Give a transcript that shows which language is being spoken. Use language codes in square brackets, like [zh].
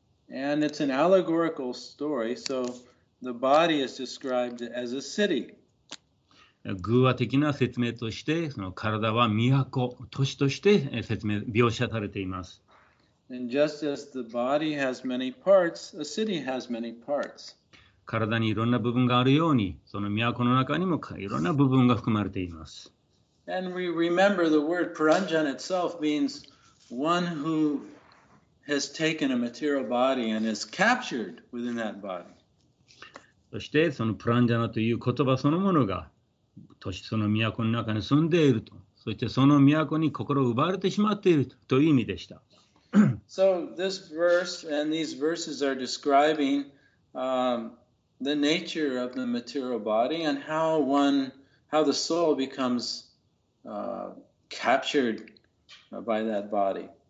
[en] And it's an allegorical story, so the body is described as a city. [ja] 寓話的な説明として、その体は都、都市として説明、描写されています。 [en] And just as the body has many parts, a city has many parts. [ja] 体にいろんな部分があるように、その都の中にもいろんな部分が含まれています。 [en] And we remember the word Paranjan itself means one who has taken a material body and is captured within that body. [ja] そしてそのプランジャナという言葉そのものが都市その都の中に住んでいると、そしてその都に心を奪われてしまっているという意味でした。 [en] So this verse and these verses are describing, the nature of the material body and how one, how the soul becomes, captured by that body.